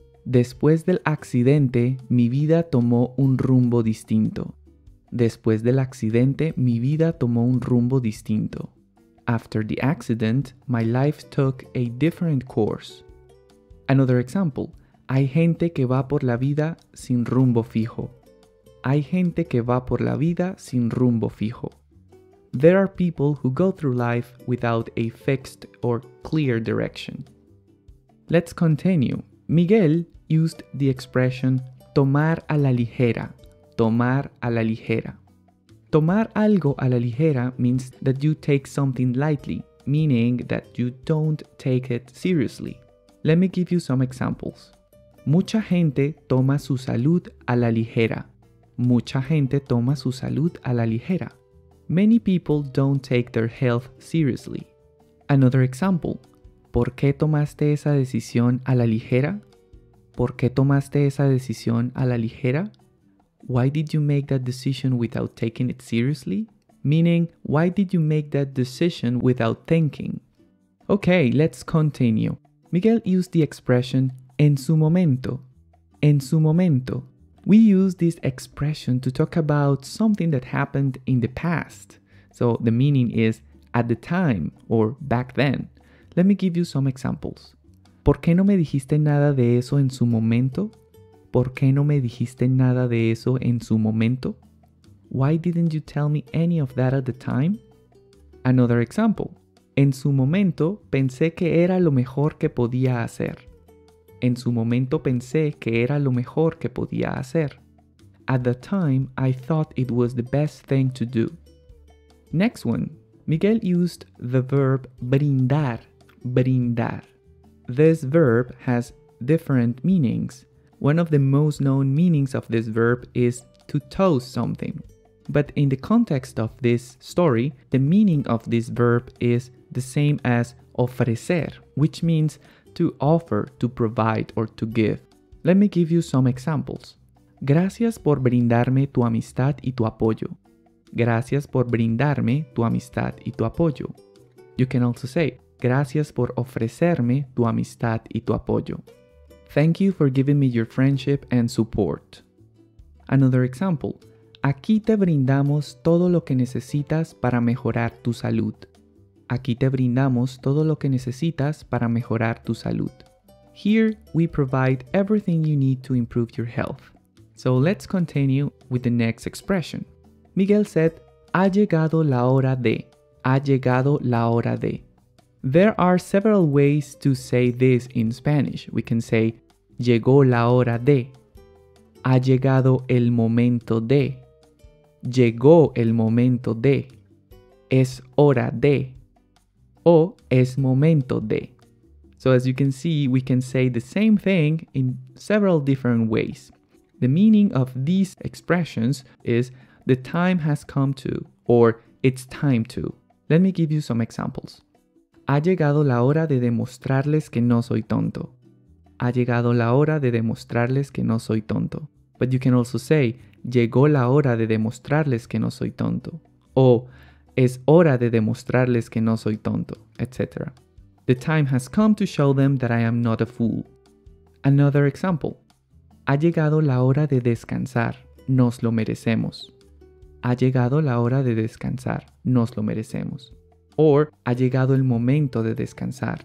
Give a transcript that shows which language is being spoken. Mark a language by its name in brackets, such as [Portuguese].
[Spanish] Después del accidente, mi vida tomó un rumbo distinto. Después del accidente, mi vida tomó un rumbo distinto. [English] After the accident, my life took a different course. Another example. [Spanish] Hay gente que va por la vida sin rumbo fijo. Hay gente que va por la vida sin rumbo fijo. [English] There are people who go through life without a fixed or clear direction. Let's continue. Miguel used the expression [Spanish] tomar a la ligera, tomar a la ligera. Tomar algo a la ligera [English] means that you take something lightly, meaning that you don't take it seriously. Let me give you some examples. [Spanish] Mucha gente toma su salud a la ligera. Mucha gente toma su salud a la ligera. [English] Many people don't take their health seriously. Another example. [Spanish] ¿Por qué tomaste esa decisión a la ligera? ¿Por qué tomaste esa decisión a la ligera? [English] Why did you make that decision without taking it seriously? Meaning, why did you make that decision without thinking? Okay, let's continue. Miguel used the expression [Spanish] en su momento. En su momento. [English] We use this expression to talk about something that happened in the past. So the meaning is at the time or back then. Let me give you some examples. [Spanish] ¿Por qué no me dijiste nada de eso en su momento? ¿Por qué no me dijiste nada de eso en su momento? [English] Why didn't you tell me any of that at the time? Another example. [Spanish] En su momento pensé que era lo mejor que podía hacer. En su momento pensé que era lo mejor que podía hacer. [English] At the time, I thought it was the best thing to do. Next one. Miguel used the verb brindar, brindar. This verb has different meanings. One of the most known meanings of this verb is to toast something. But in the context of this story, the meaning of this verb is the same as ofrecer, which means to offer, to provide, or to give. Let me give you some examples. [Spanish] Gracias por brindarme tu amistad y tu apoyo. Gracias por brindarme tu amistad y tu apoyo. [English] You can also say, [Spanish] gracias por ofrecerme tu amistad y tu apoyo. [English] Thank you for giving me your friendship and support. Another example. [Spanish] Aquí te brindamos todo lo que necesitas para mejorar tu salud. Aquí te brindamos todo lo que necesitas para mejorar tu salud. [English] Here we provide everything you need to improve your health. So let's continue with the next expression. Miguel said, [Spanish] ha llegado la hora de. Ha llegado la hora de. [English] There are several ways to say this in Spanish. We can say, [Spanish] llegó la hora de. Ha llegado el momento de. Llegó el momento de. Es hora de. O es momento de. [English] So as you can see, we can say the same thing in several different ways. The meaning of these expressions is the time has come to, or it's time to. Let me give you some examples. [Spanish] Ha llegado la hora de demostrarles que no soy tonto. Ha llegado la hora de demostrarles que no soy tonto. [English] But you can also say, [Spanish] llegó la hora de demostrarles que no soy tonto. O, es hora de demostrarles que no soy tonto, etc. [English] The time has come to show them that I am not a fool. Another example. [Spanish] Ha llegado la hora de descansar. Nos lo merecemos. Ha llegado la hora de descansar. Nos lo merecemos. Or, ha llegado el momento de descansar.